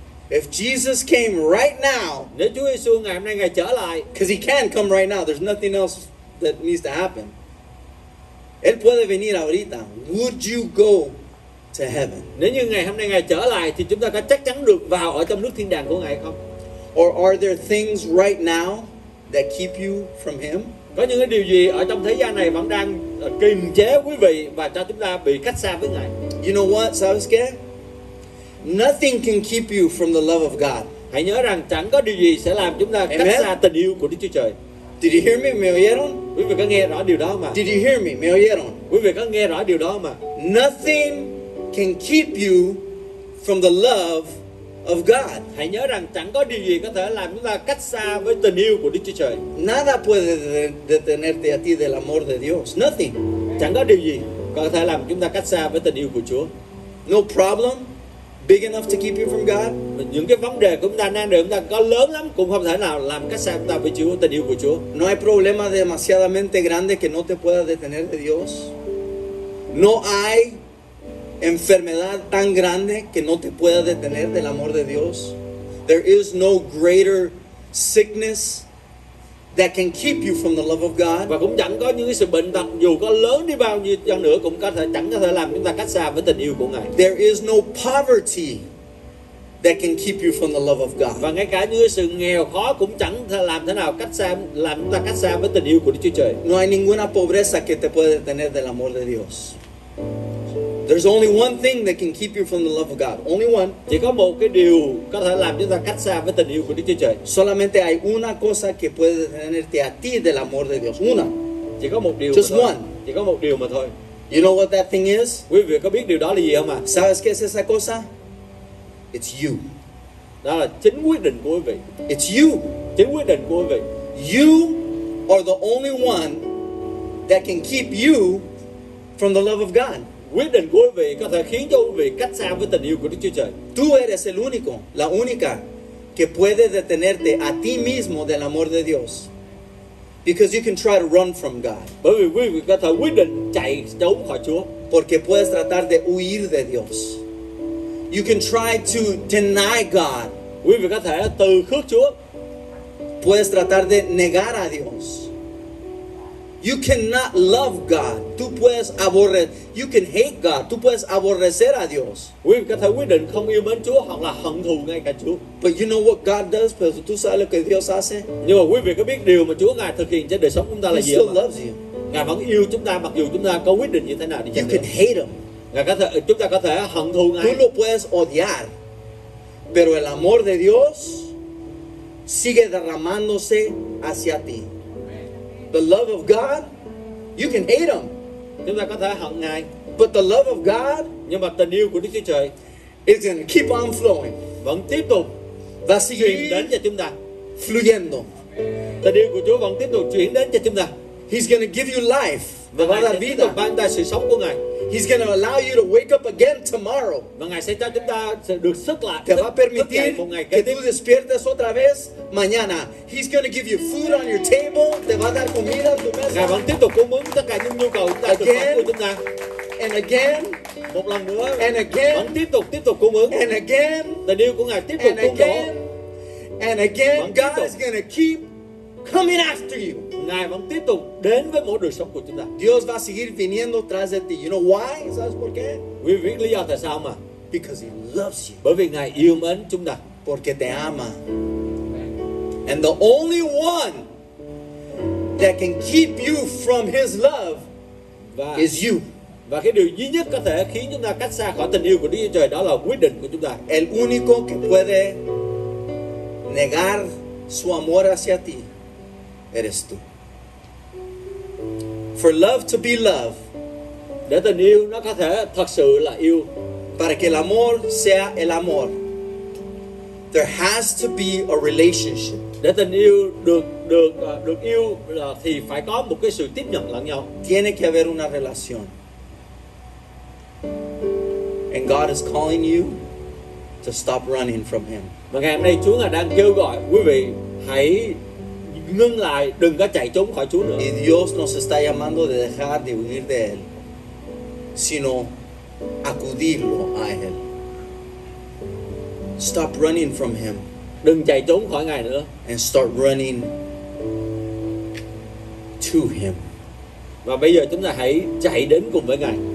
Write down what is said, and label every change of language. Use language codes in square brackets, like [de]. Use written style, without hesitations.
[en] If Jesus came right now. [vi] Nếu Chúa Giêsu ngày hôm nay ngài trở lại. [en] Because he can come right now. There's nothing else that needs to happen. [es] Él puede venir ahorita. [en] Would you go to heaven? [vi] Nếu như ngày hôm nay ngài trở lại thì chúng ta có chắc chắn được vào ở trong nước thiên đàng của ngài không? [en] Or are there things right now that keep you from him? [vi] Có những cái điều gì ở trong thế gian này vẫn đang kìm chế quý vị và cho chúng ta bị cách xa với ngài? [en] You know what? [es] ¿Sabes qué? [en] Nothing can keep you from the love of God. [vi] Hãy nhớ rằng chẳng có điều gì sẽ làm chúng ta cách xa tình yêu của Đức Chúa Trời. [en] Did you hear me? [es] ¿Me oyeron? [vi] Quý vị có nghe rõ điều đó mà? [en] Did you hear me? [es] ¿Me oyeron? [vi] Quý vị có nghe rõ điều đó mà? [en] Nothing can keep you from the love of God. [vi] Hãy nhớ rằng chẳng có điều gì có thể làm chúng ta cách xa với tình yêu của Đức Chúa Trời. [es] Nada puede detenerte a ti del amor de Dios. [en] Nothing. [vi] Chẳng có điều gì có thể làm chúng ta cách xa với tình yêu của Chúa. [en] No problem big enough to keep you from God. [vi] Những cái vấn đề của chúng ta đang được chúng ta có lớn lắm cũng không thể nào làm cách xa chúng ta với Chúa, tình yêu của Chúa. [es] No hay problema demasiadamente grande que no te pueda detener de Dios. No hay enfermedad tan grande que no te pueda detener del amor de Dios. [en] There is no greater sickness that can keep you from the love of God. [vi] Và cũng chẳng có những cái sự bệnh tật dù có lớn đi bao nhiêu chăng nữa cũng chẳng có thể làm chúng ta cách xa với tình yêu của ngài. [en] There is no poverty that can keep you from the love of God. [vi] Và ngay cả những sự nghèo khó cũng chẳng thể làm thế nào làm chúng ta cách xa với tình yêu của Đức Chúa Trời. [es] No hay ninguna pobreza que te pueda detener del amor de Dios. [en] There's only one thing that can keep you from the love of God. Only one. [vi] Chỉ có một cái điều có thể làm chúng ta cách xa với tình yêu của Đức Chúa Trời. [es] Solamente hay una cosa que puede detenerte a ti del amor de Dios. Una. [vi] Chỉ có một điều. [en] Just one. [vi] Chỉ có một điều mà thôi. [en] You know what that thing is? [vi] Quý vị có biết điều đó là gì không ạ? [es] ¿Sabes qué es esa cosa? [en] It's you. [vi] Đó là chính quyết định của quý vị. [en] It's you. [vi] Chính quyết định của quý vị. [en] You are the only one that can keep you from the love of God. [vi] Quyết định của quý vị có thể khiến cho quý vị cách xa với tình yêu của Đức Chúa Trời. [es] Tú eres el único, la única, que puede detenerte a ti mismo del amor de Dios. [en] Because you can try to run from God. [vi] Bởi vì quý vị có thể quyết định chạy trốn khỏi Chúa. [es] Porque puedes tratar de huir de Dios. [en] You can try to deny God. [vi] Quý vị có thể từ khước Chúa. [es] Puedes tratar de negar a Dios. [en] You cannot love God. [es] Tú puedes aborrecer. [en] You can hate God. [es] Tú puedes aborrecer a Dios. [vi] Quý vị có thể quyết định không yêu mến Chúa hoặc là hận thù ngay cả Chúa. [en] But you know what God does? [es] Pero tú sabes lo que Dios hace? [vi] Nhưng mà quý vị có biết điều mà Chúa ngài thực hiện trên đời sống chúng ta là gì? [en] He still loves you. [vi] Ngài vẫn yêu chúng ta mặc dù chúng ta có quyết định như thế nào đi chăng nữa. [en] You can hate him. [vi] Ngài có thể, chúng ta có thể hận thù ngài. [es] Tú lo puedes odiar. Pero el amor de Dios sigue derramándose hacia ti. [en] The love of God, you can hate him. [vi] Chúng ta có thể hận ngài. [en] But the love of God, [vi] nhưng mà tình yêu của Đức Chúa Trời, [en] is going to keep on flowing. [vi] Vẫn tiếp tục và chuyển đến cho chúng ta. [es] Fluyendo. [vi] Tình yêu của Chúa vẫn tiếp tục chuyển đến cho chúng ta. [en] He's going to give you life. [vi] Và ngài sẽ tiếp tục ban tài sự sống của ngài. [en] He's going to allow you to wake up again tomorrow. [vi] Và ngài sẽ cho chúng ta sẽ được sức lại. [es] Te va a permitir que tú despiertes otra vez mañana. [en] He's going to give you food on your table. [es] Te va a dar comida en tu mesa. [vi] Ngài vẫn tiếp tục cung ứng tất cả những nhu cầu chúng ta thực phẩm của chúng ta. [en] And again, [vi] một lần nữa. [en] And again, [vi] vẫn tiếp tục cung ứng. [en] And again, [vi] tình yêu của ngài tiếp tục cung ứng. [en] And again, God is going to keep coming after you. [vi] Ngài vẫn tiếp tục đến với mỗi đời sống của chúng ta. [es] Dios va a seguir viniendo tras de ti. [en] You know why? [es] ¿Sabes por qué? [vi] Vì vì lý do tại sao mà? [en] Because he loves you. [vi] Bởi vì ngài yêu mến chúng ta. [es] Porque te ama. [en] And the only one that can keep you from his love is you. [vi] Và cái điều duy nhất có thể khiến chúng ta cách xa khỏi tình yêu của Đức Chúa Trời đó là quyết định của chúng ta. [es] El único que puede negar su amor hacia ti. Eres tú. [en] For love to be love, [vi] để tình yêu nó có thể thật sự là yêu. [es] Para que el amor sea el amor, [en] there has to be a relationship. [vi] Để tình yêu được yêu là thì phải có một cái sự tiếp nhận lẫn nhau. [es] Tiene que haber una relación. [en] And God is calling you to stop running from him. [vi] Và ngày hôm nay Chúa ngài đang kêu gọi quý vị hãy ngưng lại, đừng có chạy trốn khỏi Chúa nữa. [es] Y Dios nos está llamando de dejar de huir de él, sino acudirlo a él. [en] Stop running from him. [vi] Đừng chạy trốn khỏi ngài nữa. [en] And start running to him. [vi] Và bây giờ chúng ta hãy chạy đến cùng với ngài.